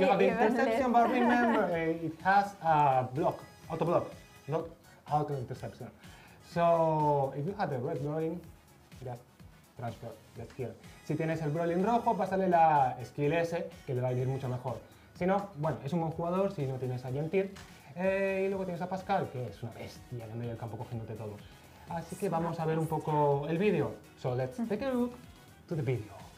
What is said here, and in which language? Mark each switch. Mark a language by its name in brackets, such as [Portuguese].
[English] You have interception, but remember, it has a block, auto block, not auto interception. So if you have a red Brolin, just transfer the skill. [Spanish] Si tienes el Brolin rojo, pásale la skill S, que le va a ir mucho mejor. Si no, bueno, es un buen jugador si no tienes a Gentil. Y luego tienes a Pascal, que es una bestia en el medio del campo cogiéndote todo. Así que vamos a ver un poco el vídeo. [English] So let's take a look to the video.